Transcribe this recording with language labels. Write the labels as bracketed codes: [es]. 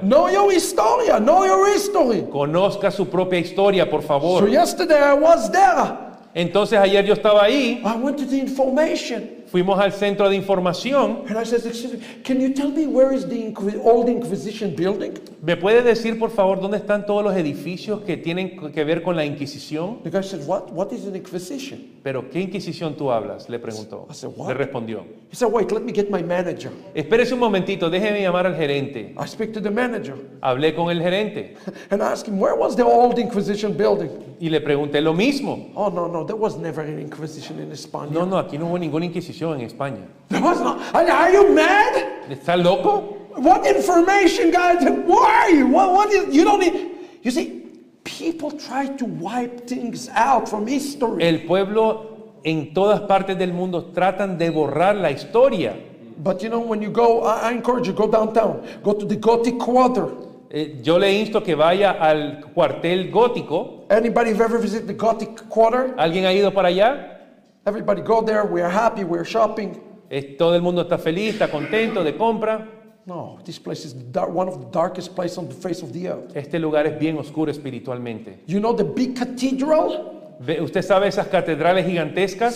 [en] Know your historia. Know your history. [es] Conozca su propia historia, por favor. [en] So yesterday I was there. [es] Entonces ayer yo estaba ahí. [en] I went to the information. [es] Fuimos al centro de información. [en] And I said, excuse me, can you tell me where is the old Inquisition building? [es] ¿Me puede decir, por favor, dónde están todos los edificios que tienen que ver con la Inquisición? [en] The guy said, what is an Inquisition? [es] ¿Pero qué Inquisición tú hablas? Le preguntó. [en] I said, what? [es] Le respondió. [en] He said, wait, let me get my manager. [es] Espérese un momentito, déjeme llamar al gerente. [en] I speak to the manager. [es] Hablé con el gerente. [en] And I asked him, where was the old Inquisition building? [es] Y le pregunté lo mismo. [en] Oh, no, no, there was never an Inquisition in España. [es] No, no, aquí no hubo ninguna Inquisición en España. [en] There was not. Are you mad? [es] ¿Estás loco? [en] What information, guys? Why? What is? You don't need. You see, people try to wipe things out from history. [es] El pueblo en todas partes del mundo tratan de borrar la historia. [en] But you know, when you go, I encourage you, go downtown, go to the Gothic Quarter. [es] Yo le insto que vaya al cuartel gótico. [en] Anybody have ever visited the Gothic Quarter? [es] ¿Alguien ha ido para allá? [en] Everybody go there, we are happy, we are shopping. [es] Todo el mundo está feliz, está contento de compra. [en] No, this place is one of the darkest places on the face of the earth. [es] Este lugar es bien oscuro espiritualmente. [en] You know the big cathedral? [es] ¿Usted sabe esas catedrales gigantescas?